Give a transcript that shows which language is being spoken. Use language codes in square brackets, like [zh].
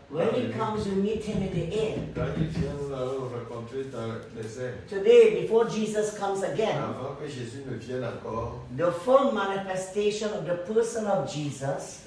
[en] When he comes, you meet him in the air. [fr] Quand il vient, nous allons rencontrer dans les airs. [en] Today, before Jesus comes again. [fr] Avant que Jésus ne vienne encore. [en] The full manifestation of the person of Jesus.